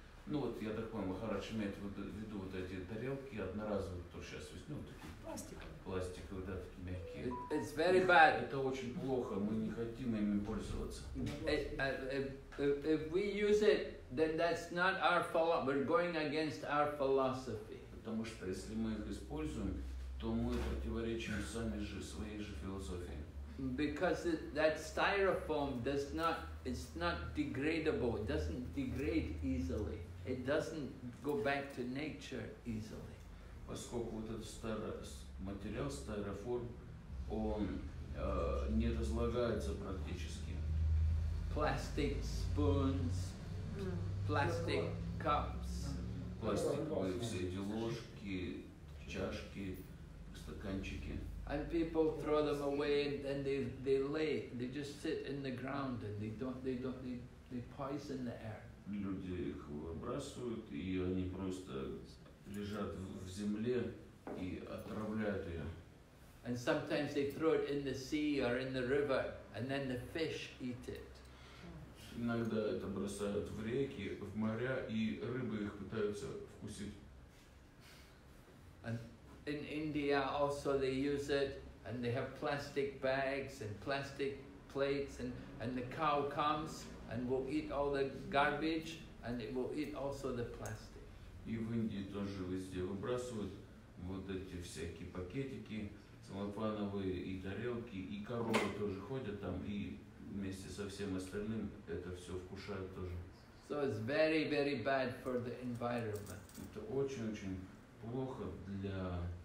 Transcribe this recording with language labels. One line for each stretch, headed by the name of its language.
Russian: Ну, вот я так понимаю, Махарадж имеет в виду вот эти тарелки одноразовые, то сейчас весь, ну, такие пластиковые, да, такие мягкие.
English: It's very bad.
Russian: Это очень плохо, мы не хотим ими пользоваться.
English: If we use it, then that's not our philosophy. We're going against our philosophy.
Russian: Потому что если мы их используем, то мы противоречим сами же своей же философии.
English: Because that styrofoam does not, it's not degradable. It doesn't degrade easily. It doesn't go back to nature easily.
Russian: Поскольку вот этот старый материал, styrofoam, он не разлагается практически.
English: Plastic spoons, plastic cups.
Russian: Пластиковые все эти ложки, чашки, стаканчики.
English: And people throw them away, and then they lay, they just sit in the ground, and they poison the air.
Russian: Люди их выбрасывают, и они просто лежат в земле и отравляют ее.
English: And sometimes they throw it in the sea or in the river, and then the fish eat it.
Russian: Иногда это бросают в реки, в моря, и рыбы их пытаются вкусить.
English: And in India also they use it, and they have plastic bags and plastic plates, and the cow comes and will eat all the garbage, and it will eat also the plastic.
Russian: И в Индии тоже везде выбрасывают вот эти всякие пакетики, целлофановые и тарелки, и коровы тоже ходят там и вместе со всем остальным это все вкушают тоже.
English: So it's very, very bad for the environment.
Russian: Это очень-очень плохо для